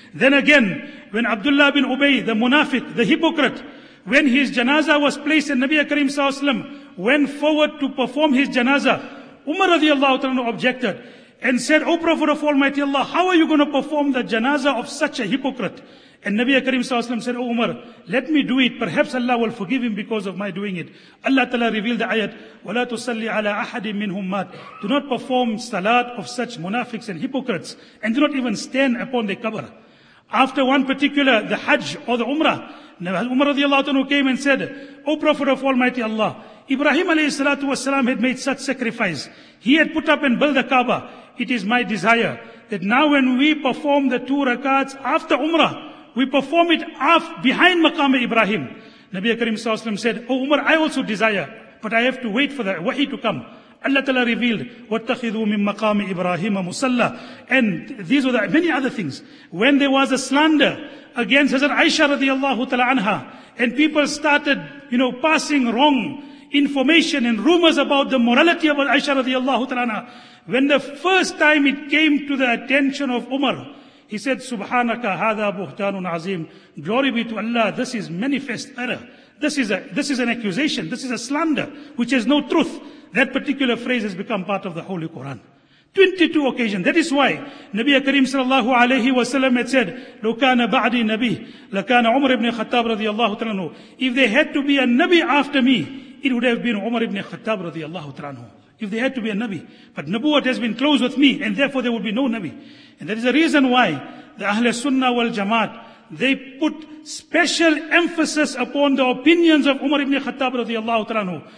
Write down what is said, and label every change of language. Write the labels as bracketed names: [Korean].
[English] Then again, when Abdullah bin Ubay, the munafiq, the hypocrite, when his janaza was placed and Nabi Karim sallallahu alayhi wa sallam went forward to perform his janaza, Umar radiallahu ta'ala anhu objected and said, O Prophet of Almighty Allah, how are you going to perform the janaza of such a hypocrite? And Nabi Karim sallallahu alayhi wa sallam said, O Umar, let me do it. Perhaps Allah will forgive him because of my doing it. Allah ta'ala revealed the ayat, [Arabic] وَلَا تُصَلِّ عَلَىٰ أَحَدٍ مِّنْهُمْ مَاتٍ. [English] Do not perform salat of such munafiqs and hypocrites, and do not even stand upon the qabr. After one particular, the Hajj or the Umrah, Umar radiallahu anhu came and said, O Prophet of Almighty Allah, Ibrahim alayhi salatu wa salam had made such sacrifice. He had put up and built the Kaaba. It is my desire that now when we perform the two rakats after Umrah, we perform it behind Maqam Ibrahim. Nabi Karim sallallahu alayhi wa sallam said, O Umar, I also desire, but I have to wait for the wahi to come. Allah Ta'ala revealed, [Arabic] وَاتَّخِذُوا مِن مَقَامِ إِبْرَاهِيمَ مُسَلَّى. [English] And these were many other things. When there was a slander against Hazrat Aisha radiallahu ta'ala anha, and people started, you know, passing wrong information and rumors about the morality of Aisha radiallahu ta'ala anha, when the first time it came to the attention of Umar, he said, [Arabic] Subhanaka hadha buhtanun azim. [English] Glory be to Allah, this is manifest error. This is an accusation, this is a slander, which has no truth. That particular phrase has become part of the Holy Quran. 22 occasions. That is why Nabi Karim sallallahu alayhi wa sallam had said, [Arabic] لو كان بعدي نبي لكان عمر ابن خطاب رضي الله تعالى عنه. [English] If there had to be a Nabi after me, it would have been Umar ibn Khattab [Arabic] رضي الله تعالى عنه. [English] If there had to be a Nabi. But Nabuwat has been close with me, and therefore there would be no Nabi. And that is the reason why the Ahle Sunnah wal Jamaat, they put special emphasis upon the opinions of Umar ibn Khattab radiallahu ta'ala anhu.